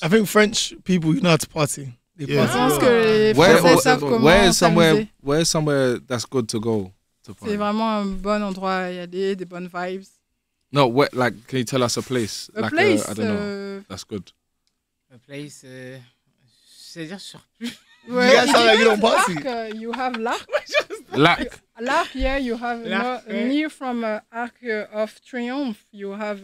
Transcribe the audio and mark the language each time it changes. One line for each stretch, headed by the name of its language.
English: I think French people, you know how to party. Where is somewhere that's good to go?
French: C'est vraiment un bon endroit à y aller, des bonnes vibes.
English: No, where, like, can you tell us a place? A place, I don't know. That's good. A place,
French: c'est-à-dire surplus.
English: Ouais, yeah, ça, like, you don't pass it. You have l'Arc. L'Arc. L'Arc, yeah, you have near from Arc of Triomphe, you have...